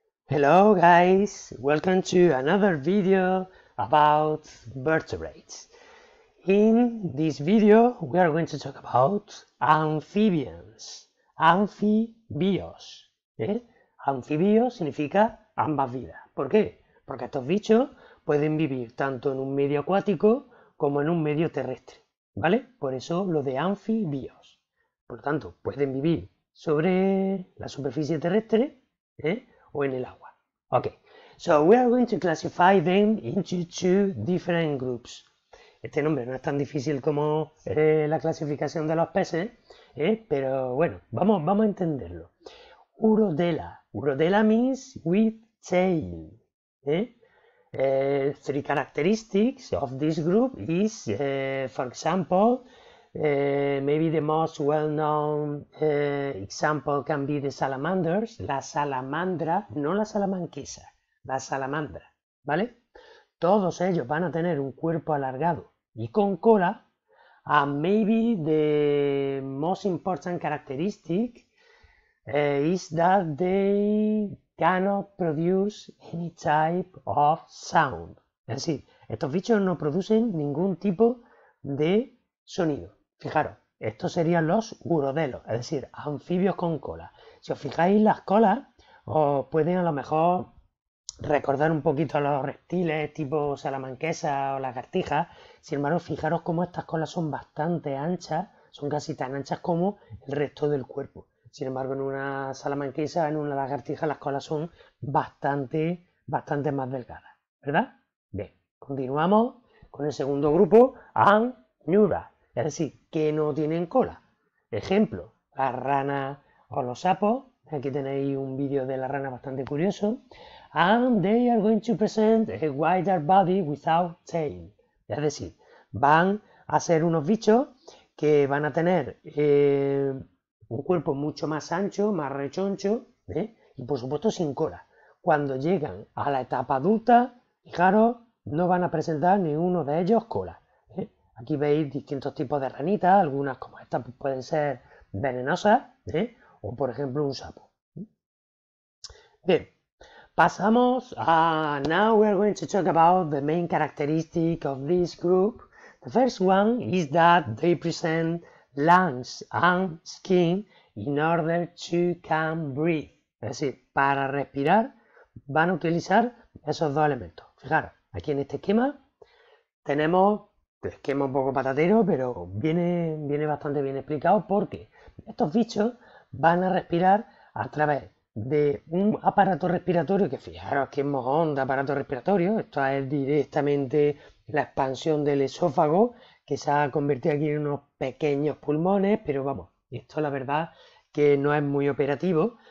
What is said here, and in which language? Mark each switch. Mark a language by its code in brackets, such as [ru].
[en] Hello guys, welcome to another video about vertebrates. In this video, we are going to talk about amphibians, amfibios. [es] ¿Eh? Amfibio significa ambas vidas. ¿Por qué? Porque estos bichos pueden vivir tanto en un medio acuático como en un medio terrestre. ¿Vale? Por eso lo de amfibios. Por lo tanto, pueden vivir sobre la superficie terrestre, ¿eh? O en el agua. [en] Okay, so we are going to classify them into two different groups. [es] Este nombre no es tan difícil como la clasificación de los peces, pero bueno, vamos a entenderlo. Urodela. [en] Urodela means with tail. Three characteristics of this group is, for example, maybe the most well-known example can be the salamanders, [es] la salamandra, no la salamanquesa, la salamandra, ¿vale? Todos ellos van a tener un cuerpo alargado y con cola. And maybe the most important characteristic is that they cannot produce any type of sound. Es decir, estos bichos no producen ningún tipo de sonido. Fijaros, estos serían los urodelos, es decir, anfibios con cola. Si os fijáis las colas, os pueden a lo mejor recordar un poquito a los reptiles tipo salamanquesa o lagartija. Sin embargo, fijaros cómo estas colas son bastante anchas, son casi tan anchas como el resto del cuerpo. Sin embargo, en una salamanquesa, en una lagartija, las colas son bastante, bastante más delgadas, ¿verdad? Bien, continuamos con el segundo grupo, anura. Es decir, que no tienen cola. Ejemplo, la rana o los sapos. Aquí tenéis un vídeo de la rana bastante curioso. [en] And they are going to present a wider body without tail. [es] Es decir, van a ser unos bichos que van a tener un cuerpo mucho más ancho, más rechoncho, y por supuesto sin cola. Cuando llegan a la etapa adulta, fijaros, no van a presentar ninguno de ellos cola. Aquí veis distintos tipos de ranitas, algunas como estas pueden ser venenosas, o por ejemplo un sapo. Bien, pasamos a... [en] Now we are going to talk about the main characteristic of this group. The first one is that they present lungs and skin in order to can breathe. [es] Es decir, para respirar van a utilizar esos dos elementos. Fijaros, aquí en este esquema tenemos... Te quema un poco patatero, pero viene bastante bien explicado porque estos bichos van a respirar a través de un aparato respiratorio, que fijaros que es mojón de aparato respiratorio, esto es directamente la expansión del esófago, que se ha convertido aquí en unos pequeños pulmones, pero vamos, esto la verdad que no es muy operativo.